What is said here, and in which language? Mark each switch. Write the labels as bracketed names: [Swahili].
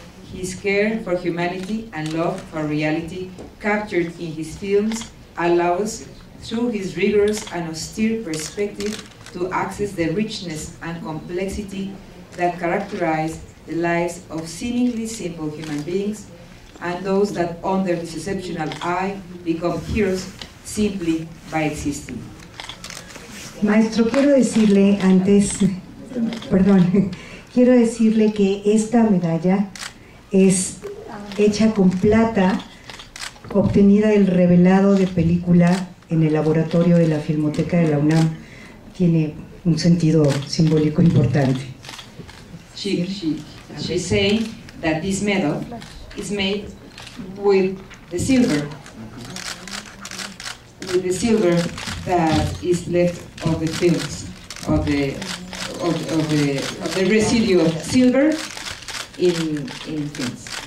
[English] His care for humanity and love for reality captured in his films allows, through his rigorous and austere perspective, to access the richness and complexity that characterize the lives of seemingly simple human beings and those that under his exceptional eye become heroes simply by existing. [Spanish] Maestro, quiero decirle que esta medalla es hecha con plata obtenida del revelado de película en el laboratorio de la Filmoteca de la UNAM. Tiene un sentido simbólico importante. [English] She saying that this medal is made with the silver, that is left of the films, of the residue of silver in films.